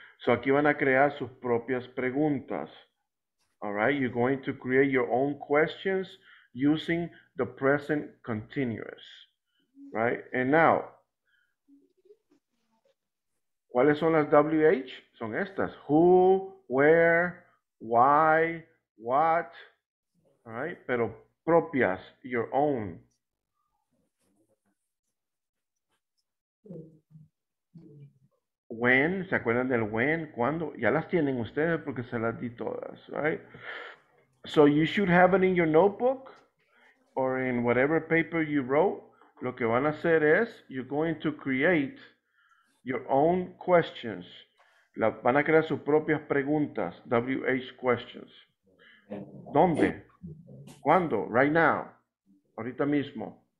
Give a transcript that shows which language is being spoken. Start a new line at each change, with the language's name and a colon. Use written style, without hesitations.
Spanish: So aquí van a crear sus propias preguntas.
English: All right, you're going to create your own questions using the present continuous. Right, and now,
Spanish: ¿cuáles son las WH? Son estas.
English: Who, where, why, what. All right,
Spanish: pero propias,
English: your own.
Spanish: When, ¿se acuerdan del when? ¿Cuándo? Ya las tienen ustedes porque se las di todas, right?
English: So you should have it in your notebook or in whatever paper you wrote.
Spanish: Lo que van a hacer es,
English: you're going to create your own questions.
Spanish: Van a crear sus propias preguntas, WH questions. ¿Dónde? ¿Cuándo?
English: Right now.
Spanish: Ahorita mismo.